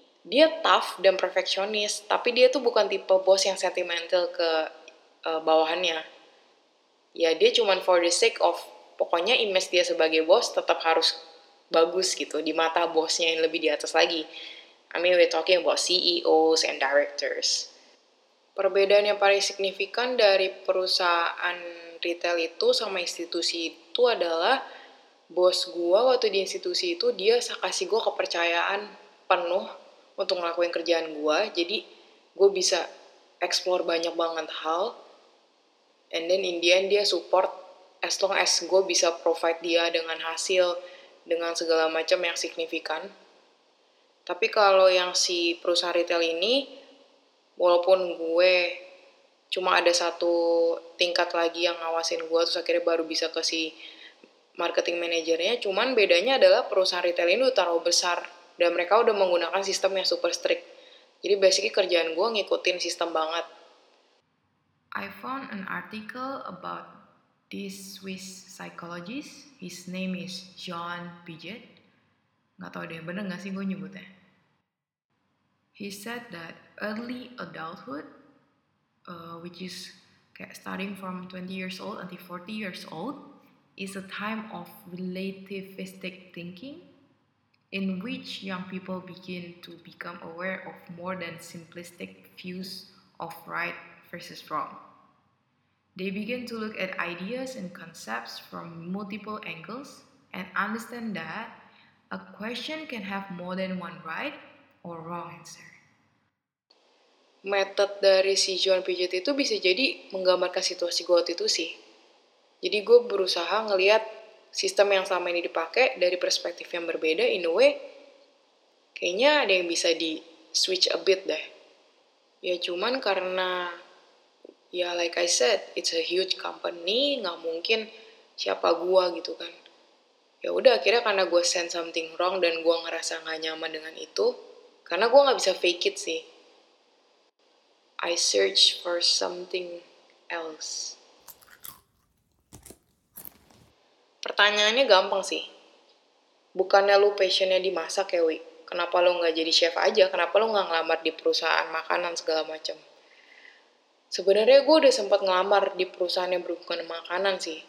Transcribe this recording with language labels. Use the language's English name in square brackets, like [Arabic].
[Indonesian] dia tough dan perfeksionis, tapi dia tuh bukan tipe bos yang sentimental ke bawahannya. Ya, dia cuman [English] for the sake of, [Indonesian] pokoknya image dia sebagai bos tetap harus bagus gitu, di mata bosnya yang lebih di atas lagi. [English] I mean, we're talking about CEOs and directors. [Indonesian] Perbedaan yang paling signifikan dari perusahaan retail itu sama institusi itu adalah, bos gue waktu di institusi itu, dia kasih gue kepercayaan penuh untuk ngelakuin kerjaan gue. Jadi, gue bisa explore banyak banget hal. [English] And then in the end, [Indonesian] dia support [English] as long as [Indonesian] gue bisa provide dia dengan hasil, dengan segala macam yang signifikan. Tapi kalau yang si perusahaan retail ini, walaupun gue cuma ada satu tingkat lagi yang ngawasin gue, terus akhirnya baru bisa ke si marketing manajernya, cuman bedanya adalah perusahaan retail ini udah taruh besar, dan mereka udah menggunakan sistem yang super strict. Jadi basically kerjaan gue ngikutin sistem banget. [English] I found an article about this Swiss psychologist. His name is John Piaget. [Indonesian] Gak tau deh, bener gak sih gue nyebutnya? [English] He said that early adulthood, which is kayak starting from 20 years old until 40 years old, is a time of relativistic thinking in which young people begin to become aware of more than simplistic views of right versus wrong. They begin to look at ideas and concepts from multiple angles and understand that a question can have more than one right or wrong answer. [Indonesian] Metode dari si John Piaget itu bisa jadi menggambarkan situasi gue waktu itu sih. Jadi gue berusaha ngelihat sistem yang selama ini dipakai dari perspektif yang berbeda, [English] in a way, [Indonesian] kayaknya ada yang bisa di-switch a bit deh. Ya cuman karena, ya [English] like I said, it's a huge company, [Indonesian] gak mungkin siapa gue gitu kan. Ya udah akhirnya karena gue [English] sense something wrong [Indonesian] dan gue ngerasa gak nyaman dengan itu, karena gue gak bisa [English] fake it [Indonesian] sih. [English] I search for something else. [Indonesian] Pertanyaannya gampang sih. Bukannya lu passionnya dimasak ya, Wi? Kenapa lu gak jadi chef aja? Kenapa lu gak ngelamar di perusahaan makanan segala macam? Sebenarnya gue udah sempat ngelamar di perusahaan yang berhubungan makanan sih.